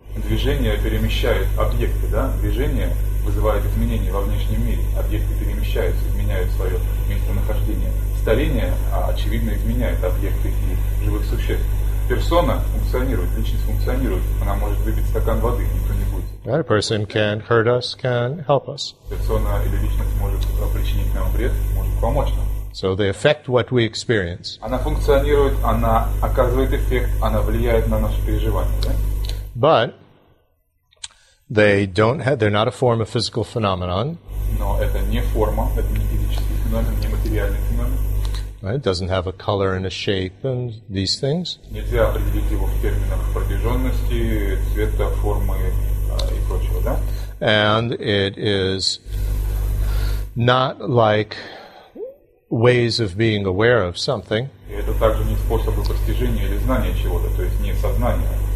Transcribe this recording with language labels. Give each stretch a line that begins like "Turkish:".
Russian: движение перемещает объекты, да? Движение вызывает изменения во внешнем мире. Объекты перемещаются, изменяют свое местонахождение. Старение, очевидно, изменяет объекты и живых существ. Персона функционирует, личность функционирует. Она может выпить стакан воды, никто не будет.
English: That person can hurt us, can help us.
Russian: Персона или личность может причинить нам вред, может помочь нам.
English: So they affect what we experience.
Russian: Она функционирует, она оказывает эффект, она влияет на наши переживания, да?
English: But they don't have, they're not a form of physical phenomenon.
Russian: Но это не форма, это не физический феномен, не материальный феномен.
English: Right? It doesn't have a color and a shape and these things.
Russian: Нельзя определить его в терминах протяженности, цвета, формы и прочего, да?
English: And it is not like ways of being aware of something.
Russian: И это также не способы постижения или знания чего-то, то есть не сознание.